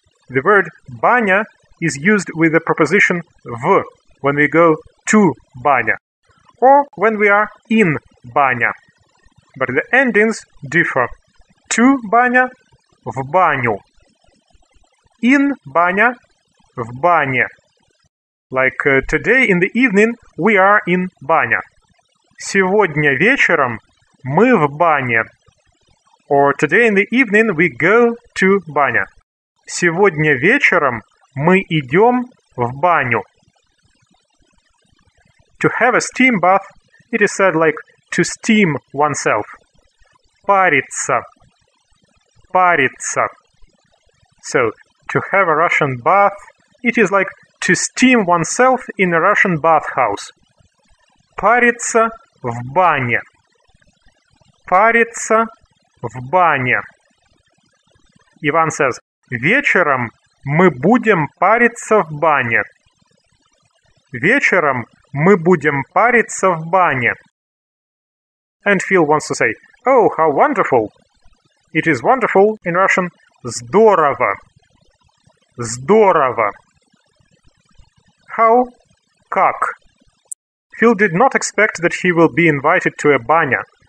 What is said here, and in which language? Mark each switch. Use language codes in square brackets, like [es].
[en] The word баня is used with the preposition в when we go to баня, or when we are in баня. But the endings differ. To баня – [ru] в баню. [en] In баня – [ru] в бане. [en] Like today in the evening we are in баня. [ru] Сегодня вечером мы в бане. [en] Or today in the evening we go to баня. [ru] Сегодня вечером мы идем в баню. [en] To have a steam bath, it is said like to steam oneself. [ru] Париться. Париться. [en] So, to have a Russian bath, it is like to steam oneself in a Russian bathhouse. [ru] Париться в бане. Париться в бане. Иван says, вечером мы будем париться в бане. Вечером Мы будем париться в бане. [en] And Phil wants to say, oh, how wonderful. It is wonderful in Russian. [ru] Здорово. Здорово. [en] How? [ru] Как? [en] Phil did not expect that he will be invited to a баня.